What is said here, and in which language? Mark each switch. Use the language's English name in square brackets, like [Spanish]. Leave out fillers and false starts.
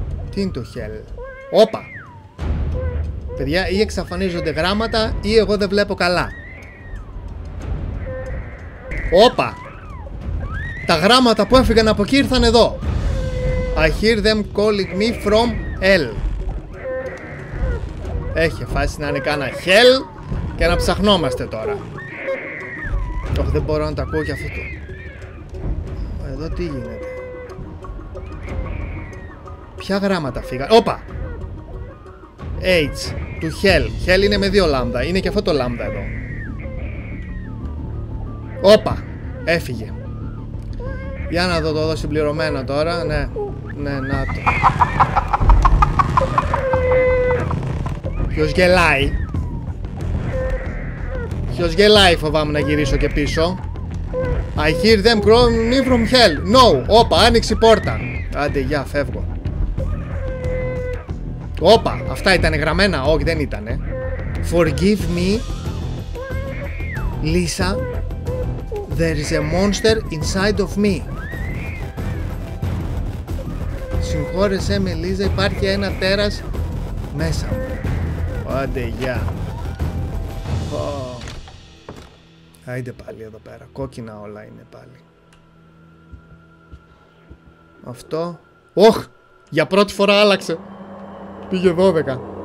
[Greek] Τι είναι το χελ? Όπα! Παιδιά, ή εξαφανίζονται γράμματα ή εγώ δεν βλέπω καλά. Όπα! Τα γράμματα που έφυγαν από εκεί ήρθαν εδώ. [English] I hear them calling me from L. [Greek] Έχει φάση να είναι κάνα χελ και να ψαχνόμαστε τώρα. Όχι, δεν μπορώ να τα ακούω και αυτό το... Εδώ τι γίνεται? Ποια γράμματα φύγαν? Όπα! H του Hell. Hell είναι με δύο λάμδα. Είναι και αυτό το λάμδα εδώ. Όπα! Έφυγε. Για να δω το εδώ συμπληρωμένο τώρα. Ναι. Ναι, να το. Ποιος γελάει? Ποιος γελάει? Φοβάμαι να γυρίσω και πίσω. [English] I hear them crawling me from hell. [Greek] No. Όπα, άνοιξε η πόρτα. Άντε, γεια, φεύγω. Όπα, αυτά ήταν γραμμένα? Όχι, δεν ήταν. [English] Forgive me, Lisa. There is a monster inside of me. [Greek] Συγχώρεσέ με, Λίζα. Υπάρχει ένα τέρας μέσα μου. Άντε, γεια. Άιντε πάλι εδώ πέρα. Κόκκινα όλα είναι πάλι. Αυτό. Οχ! Για πρώτη φορά άλλαξε. Πήγε 12.